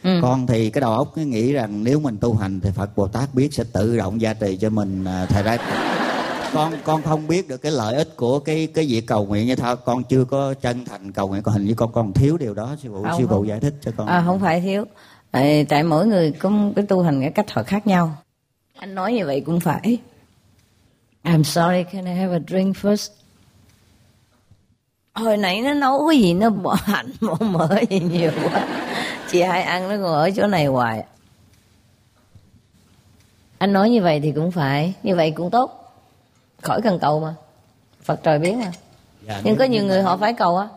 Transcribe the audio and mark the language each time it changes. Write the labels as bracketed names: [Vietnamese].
[Vietnamese] Con thì cái đầu óc nghĩ rằng nếu mình tu hành thì Phật Bồ Tát biết sẽ tự động gia trì cho mình thầy ra. Con không biết được cái lợi ích của cái việc cầu nguyện như thế. Con chưa có chân thành cầu nguyện, còn hình như con thiếu điều đó. Sư phụ giải thích cho con. À, không phải thiếu. Tại mỗi người có cái tu hành cái cách họ khác nhau. Anh nói như vậy cũng phải. [English] I'm sorry, can I have a drink first? [Vietnamese] Hồi nãy nó nấu cái gì nó bỏ hành bỏ mỡ gì nhiều quá. Chị hai ăn nó còn ở chỗ này hoài. Anh nói như vậy thì cũng phải. Như vậy cũng tốt. Khỏi cần cầu mà. Phật trời biết mà. Dạ, nhưng có nhiều người họ phải cầu á.